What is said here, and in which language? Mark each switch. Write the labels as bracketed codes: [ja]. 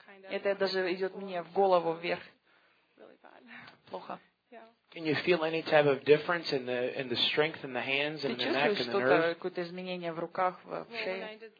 [ru] Это даже идет мне в голову вверх. Плохо. [en] Can you feel any type of difference in the strength in the hands and the neck and the nerves? [ru] Какое-то изменение в руках, в шее?